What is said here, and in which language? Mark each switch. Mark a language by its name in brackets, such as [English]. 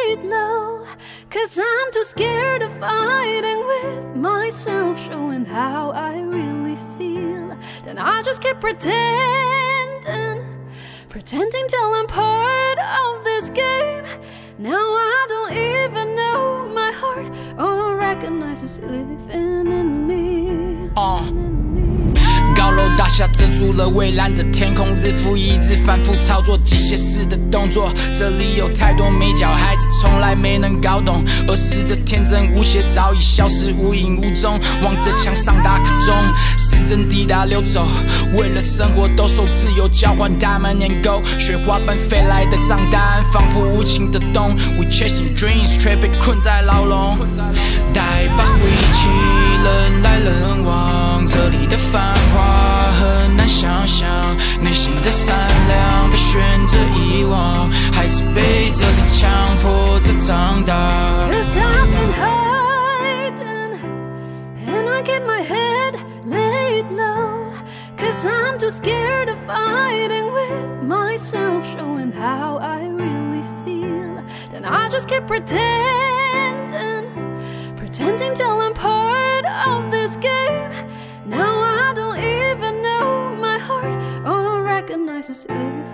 [English] I'm too scared of fighting with myself, showing how I really feel. Then I just keep pretending, pretending till I'm part of this game. Now I don't even know my heart or recognize who's living in me. [Chinese] 高楼大厦遮住了蔚蓝的天空，日复一日反复操作机械式的动作，这里有太多美角，孩子从来没能搞懂，儿时的天真无邪早已消失无影无踪，望着墙上打刻钟，时针滴答溜走，为了生活兜售自由交换 [English] diamond and gold， [Chinese] 雪花般飞来的账单仿佛无情的冬， [English] We chasing dreams [Chinese] 却被困在牢笼，带把回忆起人来人往，这里的繁华很难想象，内心的善良被选择遗忘，孩子被这里强迫着长大。 [English] Cause I've been hiding and I keep my head laid low, cause I'm too scared of fighting with myself, showing how I really feel. Then I just keep pretending, pretending till I'm part of this gameNow I don't even know my heart or recognize who's in